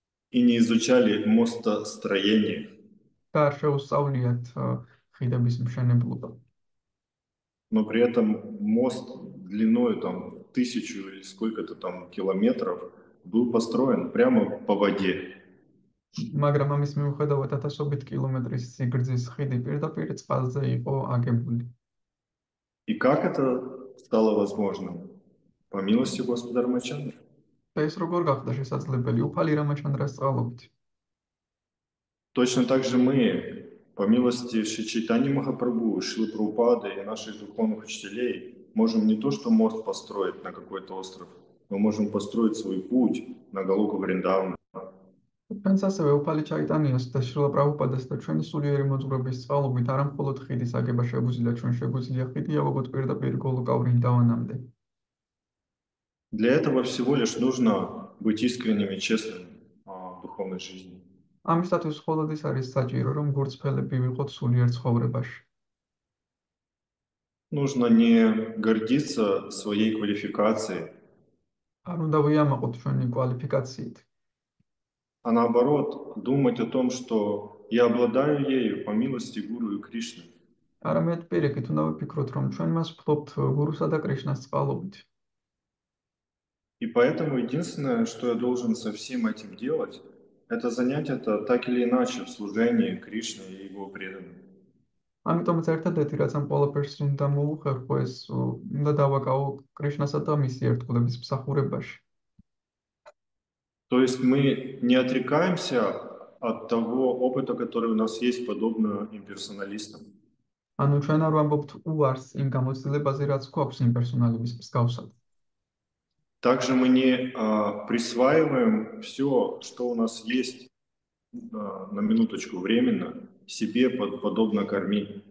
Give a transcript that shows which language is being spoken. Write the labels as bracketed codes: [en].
[ru] И не изучали мостостроение. [ka] Таршо усаулият хидабис мшенеблуба. [ru] Но при этом мост длиной там 1000 или сколько-то там километров, был построен прямо по воде. [ka] მაგრამ ამის მიუხედავად ათასობით კილომეტრის სიგრძის ხიდი პირდაპირ წყალზე იყო აგებული. [ru] И как это стало возможным? По милости Господа Рамачандры. [ka] ეს როგორ გახდა შესაძლებელი? უფალი რამაჩანდრას წყალობით. [ru] Точно так же мы, по милости Шри Чайтаньи Махапрабху, Шрилы Прабхупады и наших духовных учителей, можем не то что мост построить на какой-то остров, мы можем построить свой путь на Голоку Вриндавана. [ka] ჩვენც ასევე უფალი ჩაიტანიას და შრილა პრაბუპადას და ჩვენი სულიერი მოძღვრების წყალობით არა მხოლოდ ხიდის აგება შეგვიძლია, ჩვენ შეგვიძლია ხიდი ავაგოთ პირდაპირ გოლოკა ვრინდავანამდე. [ru] Для этого всего лишь нужно быть искренним и честным в духовной жизни. [ka] ამისათვის მხოლოდ ის არის საჭირო, რომ გორცფელები ვიყოთ სულიერ ცხოვრებაში. [ru] Нужно не гордиться своей квалификацией, [ka] არ უნდა ვიამაყოთ ჩვენი კვალიფიკაციით. [ru] а наоборот, думать о том, что я обладаю ею по милости Гуру и Кришны. [ka] არამედ პირიქით უნდა ვფიქროთ, რომ ჩვენ მას ფლობთ გურუსა და კრიშნას წყალობით. [ru] И поэтому единственное, что я должен со всем этим делать, это занять это так или иначе в служении Кришне и его преданным. [ka] ამიტომაც ერთადერთი, რაც ამ ყველაფერს უნდა მოუხერხო, ეს უნდა დავაკავო კრიშნასა და მისი ერთგულების მსახურებაში. [ru] То есть мы не отрекаемся от того опыта, который у нас есть, подобно имперсоналистам. [ka] ანუ ჩვენ არ ვამბობთ უარს იმ გამოცდილებაზე, რაც გვაქვს იმპერსონალების მსგავსად. [ru] Также мы не присваиваем все, что у нас есть на минуточку временно, себе подобно карме.